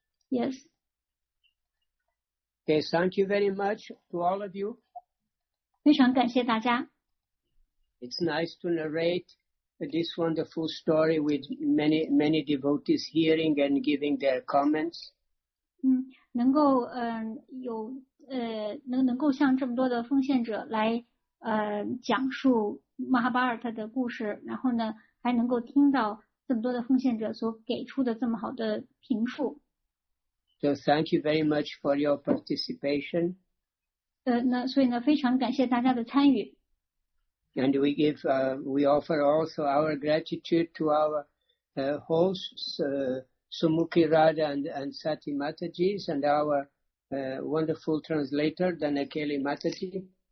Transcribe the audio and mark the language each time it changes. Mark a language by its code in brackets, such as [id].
[en] Yes。 Okay, thank you very much to all of you. [zh] 非常感谢大家。 [en] It's nice to narrate this wonderful story with many, many devotees hearing and giving their comments. [zh] 能够像这么多的奉献者来讲述马哈巴尔特的故事，然后呢还能够听到这么多的奉献者所给出的这么好的评述。 [en] So thank you very much for your participation. [zh] 所以呢，非常感谢大家的参与。 [en] And we give, we offer also our gratitude to our hosts, Sumukhi Radha and Sati Mataji, and our wonderful translator, Dhanakeli Mataji.